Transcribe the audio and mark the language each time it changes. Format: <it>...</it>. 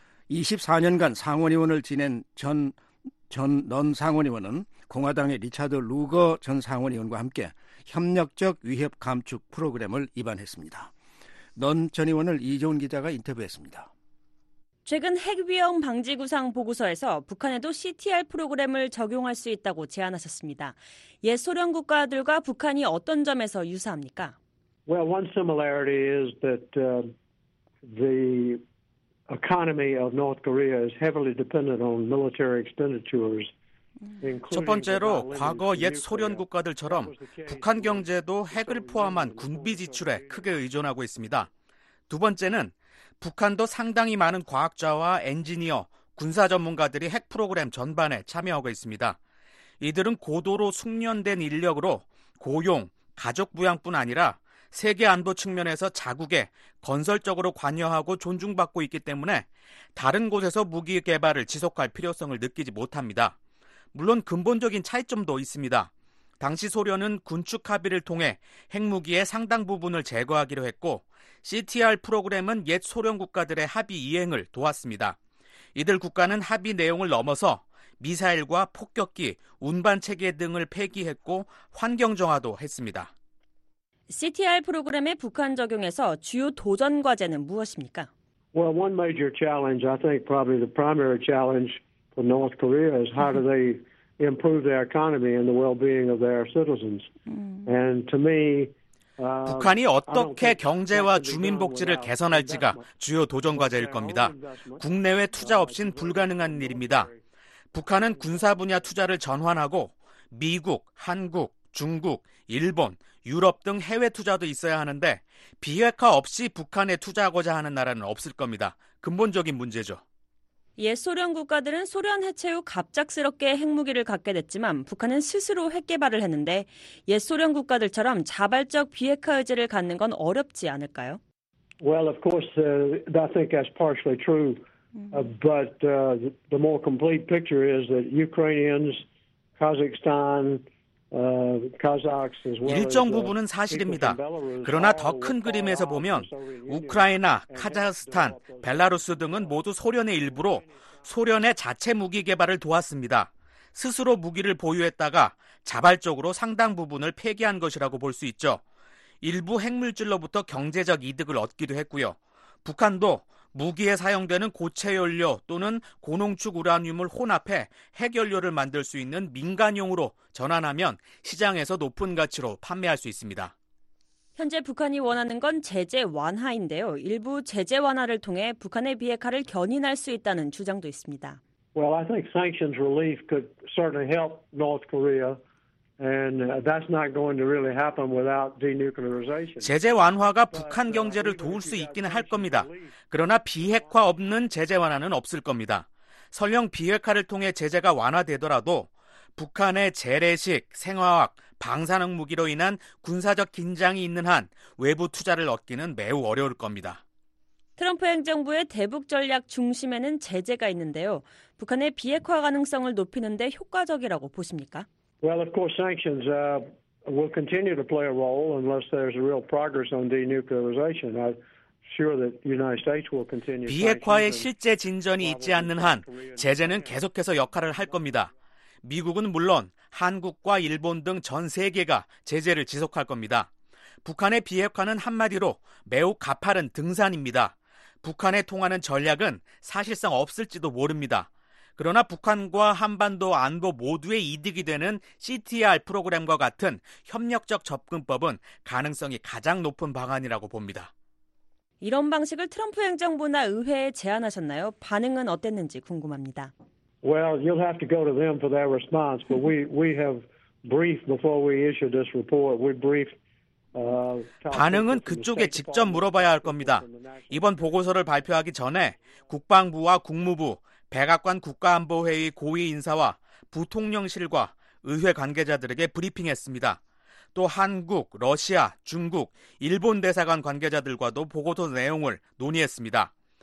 <ko>24년간 상원의원을 지낸 전 상원의원은 공화당의 리차드 루거 전 상원의원과 함께 협력적 위협 감축 프로그램을 입안했습니다. 넌 전 의원을 이재훈 기자가 인터뷰했습니다. 최근 핵 위험 방지 구상 보고서에서 북한에도 CTR 프로그램을 적용할 수 있다고 제안하셨습니다. 옛 소련 국가들과 북한이 어떤 점에서 유사합니까?</ko> <en>Well, one similarity is that the economy of North Korea is heavily dependent on military expenditures.</en> <ko>첫 번째로 과거 옛 소련 국가들처럼 북한 경제도 핵을 포함한 군비 지출에 크게 의존하고 있습니다. 두 번째는 북한도 상당히 많은 과학자와 엔지니어, 군사 전문가들이 핵 프로그램 전반에 참여하고 있습니다. 이들은 고도로 숙련된 인력으로 고용, 가족 부양뿐 아니라 세계 안보 측면에서 자국에 건설적으로 관여하고 존중받고 있기 때문에 다른 곳에서 무기 개발을 지속할 필요성을 느끼지 못합니다. 물론 근본적인 차이점도 있습니다. 당시 소련은 군축 합의를 통해 핵무기의 상당 부분을 제거하기로 했고 CTR 프로그램은 옛 소련 국가들의 합의 이행을 도왔습니다. 이들 국가는 합의 내용을 넘어서 미사일과 폭격기, 운반 체계 등을 폐기했고 환경 정화도 했습니다. CTR 프로그램의 북한 적용에서 주요 도전 과제는 무엇입니까?</ko> <en>Well, one major challenge, I think probably the primary challenge for North Korea is how do they improve their economy and the well-being of their citizens. And to me,</en> <ko>북한이 어떻게 경제와 주민복지를 개선할지가 주요 도전 과제일 겁니다. 국내외 투자 없인 불가능한 일입니다. 북한은 군사 분야 투자를 전환하고 미국, 한국, 중국, 일본, 유럽 등 해외 투자도 있어야 하는데 비핵화 없이 북한에 투자하고자 하는 나라는 없을 겁니다. 근본적인 문제죠. 옛 소련 국가들은 소련 해체 후 갑작스럽게 핵무기를 갖게 됐지만 북한은 스스로 핵 개발을 했는데 옛 소련 국가들처럼 자발적 비핵화 의지를 갖는 건 어렵지 않을까요?</ko> <en>Well, of course, I think that's partially true. But the more complete picture is that Ukrainians, Kazakhstan, Kazakhs as well.</en> <ko>일정 부분은 사실입니다. 그러나 더 큰 그림에서 보면 우크라이나, 카자흐스탄, 벨라루스 등은 모두 소련의 일부로 소련의 자체 무기 개발을 도왔습니다. 스스로 무기를 보유했다가 자발적으로 상당 부분을 폐기한 것이라고 볼 수 있죠. 일부 핵물질로부터 경제적 이득을 얻기도 했고요. 북한도 무기에 사용되는 고체 연료 또는 고농축 우라늄을 혼합해 핵연료를 만들 수 있는 민간용으로 전환하면 시장에서 높은 가치로 판매할 수 있습니다. 현재 북한이 원하는 건 제재 완화인데요. 일부 제재 완화를 통해 북한의 비핵화를 견인할 수 있다는 주장도 있습니다.</ko> <en>Well, I think sanctions relief could certainly help North Korea. And that's not going to really happen without denuclearization.</en> <ko>제재 완화가 북한 경제를 도울 수 있기는 할 겁니다. 그러나 비핵화 없는 제재 완화는 없을 겁니다. 설령 비핵화를 통해 제재가 완화되더라도 북한의 재래식, 생화학, 방사능 무기로 인한 군사적 긴장이 있는 한 외부 투자를 얻기는 매우 어려울 겁니다. 트럼프 행정부의 대북 전략 중심에는 제재가 있는데요. 북한의 비핵화 가능성을 높이는 데 효과적이라고 보십니까?</ko> <en>Well, of course, sanctions will continue to play a role unless there's real progress on denuclearization. I'm sure that the United States will continue.</en> <ko>비핵화에 실제 진전이 있지 않는 한 제재는 계속해서 역할을 할 겁니다. 미국은 물론 한국과 일본 등 전 세계가 제재를 지속할 겁니다. 북한의 비핵화는 한마디로 매우 가파른 등산입니다. 북한에 통하는 전략은 사실상 없을지도 모릅니다. 그러나 북한과 한반도 안보 모두의 이득이 되는 CTR 프로그램과 같은 협력적 접근법은 가능성이 가장 높은 방안이라고 봅니다. 이런 방식을 트럼프 행정부나 의회에 제안하셨나요? 반응은 어땠는지 궁금합니다.</ko> <en>Well, you'll have to go to them for their response, but we have briefed before we issued this report. We briefed</en> <ko>반응은 그쪽에 직접 물어봐야 할 겁니다. 이번 보고서를 발표하기 전에 국방부와 국무부, 백악관 국가안보회의 고위 인사와 부통령실과 의회 관계자들에게 브리핑했습니다. 또 한국, 러시아, 중국, 일본 대사관 관계자들과도 보고서 내용을 논의했습니다.</ko>